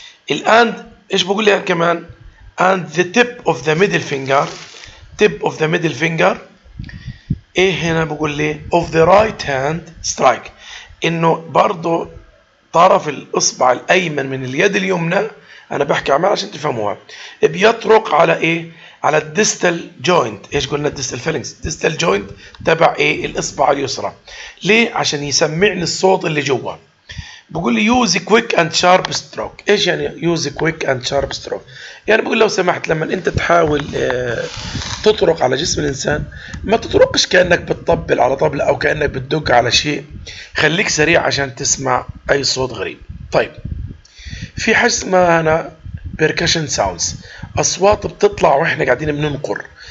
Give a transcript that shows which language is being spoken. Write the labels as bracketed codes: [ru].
[ar] الآن إيش بقول لي كمان؟ [en] and the tip of the middle finger، tip of the middle finger، [ar] ايه هنا بقول لي [en] of the right hand strike، [ar] انه برضو طرف الاصبع الايمن من اليد اليمنى، انا بحكي عمال عشان تفهموها، بيطرق على ايه؟ على الديستال جوينت. ايش قلنا؟ الديستال فالنكس، ديستال جوينت تبع ايه؟ الاصبع اليسرى. ليه؟ عشان يسمعني الصوت اللي جوا. بقول لي [en] use a quick and sharp stroke. [ar] ايش يعني [en] use a quick and sharp stroke؟ [ar] يعني بقول لو سمحت لما انت تحاول تطرق على جسم الانسان، ما تطرقش كأنك بتطبل على طبلة او كأنك بتدق على شيء، خليك سريع عشان تسمع اي صوت غريب. طيب في حاجة اسمها انا [en] percussion sounds، [ar] اصوات بتطلع واحنا قاعدين بننقر.